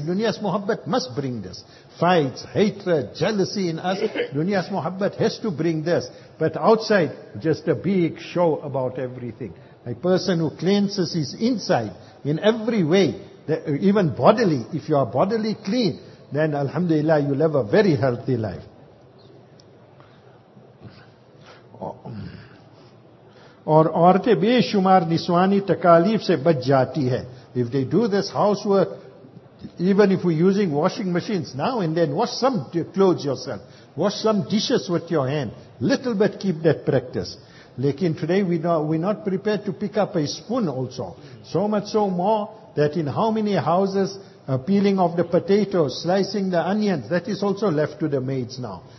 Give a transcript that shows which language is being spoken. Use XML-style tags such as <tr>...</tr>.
<en>Dunya's muhabbat must bring this. Fights, hatred, jealousy in us, dunya's muhabbat has to bring this. But outside, just a big show about everything. A person who cleanses his inside in every way, even bodily, if you are bodily clean, then alhamdulillah, you'll have a very healthy life.</en> <ur>اور عورتیں بے شمار نسوانی تکالیف سے بچ جاتی ہے.</ur> <en>If they do this housework, even if we're using washing machines now and then, wash some clothes yourself. Wash some dishes with your hand. Little bit keep that practice. Lekin today we're not prepared to pick up a spoon also. So much so more that in how many houses, peeling of the potatoes, slicing the onions, that is also left to the maids now.</en>